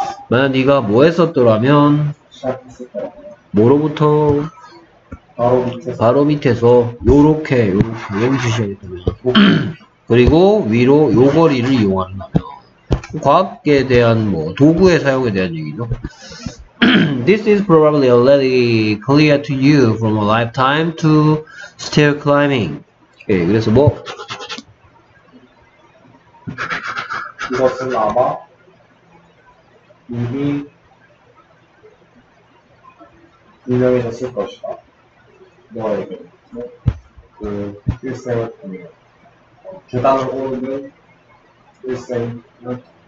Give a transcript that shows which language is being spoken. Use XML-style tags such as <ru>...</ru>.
<ko>만약 네가 뭐 했었더라면? 뭐로부터? 바로 밑에서. 요렇게 여기 주셔야겠다면. 그리고 위로 요 거리를 이용한다면. 과학에 대한 뭐 도구의 사용에 대한 얘기죠.</ko> <en>This is probably already clear to you from a lifetime to stair climbing.</en> <ko>Okay, 그래서 뭐? 이것은 아마 이미 유명해졌을 것이다. 너에게 그 일생을 통해 계단을 오르는 일생을 통해</ko>